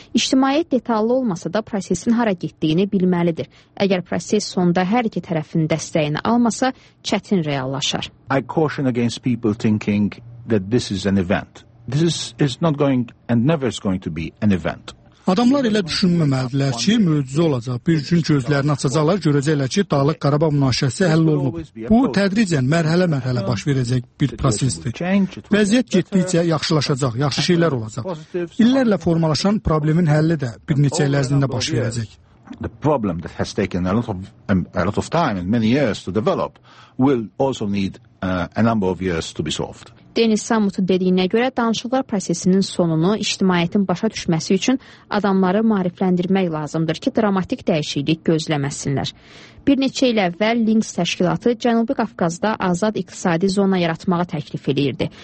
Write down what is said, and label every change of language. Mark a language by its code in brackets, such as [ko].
[az] İctimaiyyət detallı olmasa da prosesin hara getdiyini bilməlidir. Əgər proses sonda hər iki tərəfin dəstəyini almasa, çətin reallaşar. [en] I caution against people thinking that this is an event. This is not going and never is going to be an event. [az] Adamlar elə düşünməməlidirlər ki, möcüzə olacaq. Bir gün gözlərini açacaqlar, görəcəklər ki, Dağlıq Qarabağ münaqişəsi həll olunub. Bu, tədricən mərhələ-mərhələ baş verəcək bir prosesdir. Vəziyyət getdikcə yaxşılaşacaq, yaxşı şeylər olacaq. İllərlə formalaşan problemin həlli də bir neçə il ərzində baş verəcək. [en] The problem that has taken a lot of time and many years to develop will also need a number of years to be solved. [az] Denis Samut dediyinə görə danışıqlar prosesinin sonunu ictimaiyyətin başa düşməsi üçün adamları maarifləndirmək lazımdır ki, dramatik dəyişiklik gözləməsinlər. Bir neçə il əvvəl Links təşkilatı Cənubi Qafqazda azad iqtisadi zona yaratmağı təklif edirdi.